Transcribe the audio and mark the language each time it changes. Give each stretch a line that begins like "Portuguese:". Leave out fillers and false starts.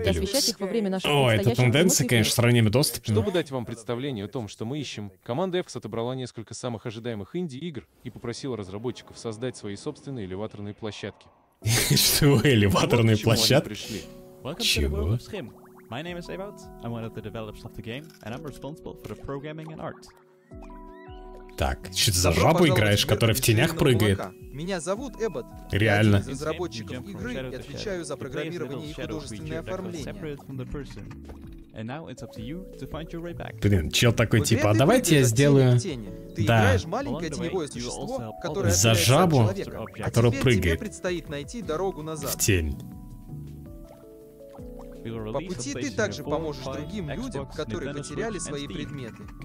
English: Deluxe.
Russian: О, это тенденция, конечно, сравнение доступа. Чтобы дать вам представление о том, что мы ищем, команда EFX отобрала несколько самых ожидаемых инди-игр и попросила разработчиков создать свои собственные элеваторные площадки. Что, элеваторные площадки? Чего?
English: My name is Eivaut. I'm one of the developers of the game, and I'm responsible for the programming and art.
Russian: Так, что ты за жабу играешь, которая в тенях прыгает? Меня зовут Эббот. Реально. Я один из разработчиков игры и отвечаю за программирование и художественное оформление.
English: And now it's up to you to find your way back.
Russian: Блин, чел такой, типа, а давайте я сделаю... Да. За жабу, которая прыгает. Тебе предстоит найти дорогу назад. В тень. По пути ты также поможешь другим людям, которые потеряли свои предметы.